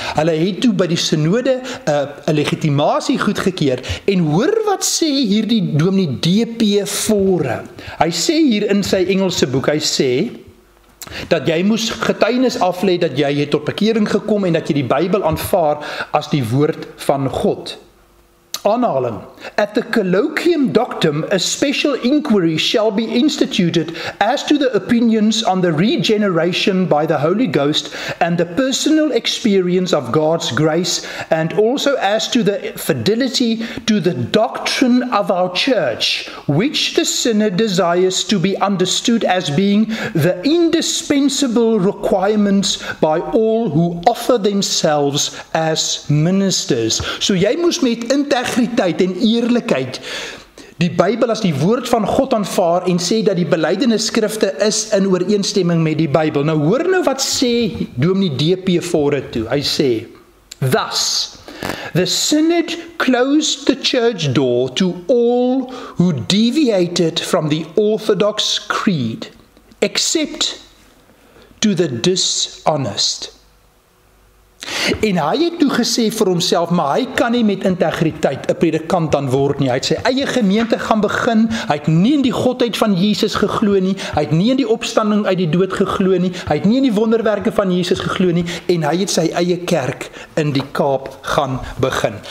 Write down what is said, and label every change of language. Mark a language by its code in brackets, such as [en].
[af] Hulle het toe by die synode 'n legitimasie goedgekeur en hoor wat sê hierdie dominee D.P. Forum. Hy sê hier in sy Engelse boek, hy sê, dat jy moes getuienis aflê dat jy het tot bekering gekom en dat jy die Bybel aanvaar as die woord van God. Aanhaling. [en] At the colloquium doctum, a special inquiry shall be instituted as to the opinions on the regeneration by the Holy Ghost and the personal experience of God's grace and also as to the fidelity to the doctrine of our church, which the sinner desires to be understood as being the indispensable requirements by all who offer themselves as ministers. [af] So jy moes met integriteit en eerlikheid die Bybel as die woord van God aanvaar en sê dat die belydenis skrifte is in ooreenstemming met die Bybel. Nou hoor nou wat sê dominee D.P. Forum toe. Hy sê, [en] thus, the synod closed the church door to all who deviated from the orthodox creed, except to the dishonest. [af] En hy het toe gesê vir homself, maar hy kan nie met integriteit 'n predikant dan word nie. Hy het sy eie gemeente gaan begin, hy het nie in die godheid van Jesus geglo nie, hy het nie in die opstanding uit die dood geglo nie, hy het nie in die wonderwerke van Jesus geglo nie, en hy het sy eie kerk in die Kaap gaan begin.